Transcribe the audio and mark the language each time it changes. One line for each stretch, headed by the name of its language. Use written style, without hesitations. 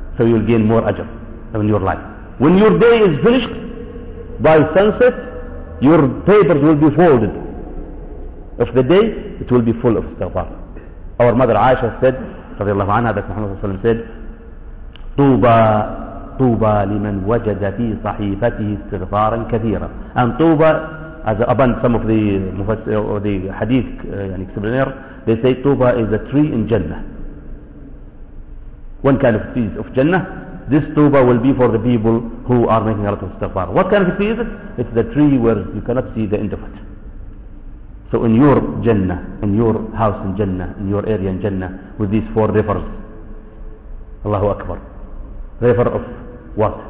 English: So you'll gain more ajr in your life. When your day is finished by sunset, your papers will be folded. Of the day, it will be full of istighfar. Our mother Aisha said, radiallahu anha, that Muhammad sallallahu alayhi wa sallam said, Tuba.
Arabic: طوبى لمن وجد في صحيفته استغفارا كثيرا.
English: And طوبى, as abundant some of the hadith explainer, they say طوبى is a tree in Jannah. One kind of trees of Jannah, this طوبى will be for the people who are making a lot of istighfar. What kind of tree is it? It's the tree where you cannot see the end of it. So in your Jannah, in your house in Jannah, in your area in Jannah, with these four rivers, Allahu Akbar, river of what?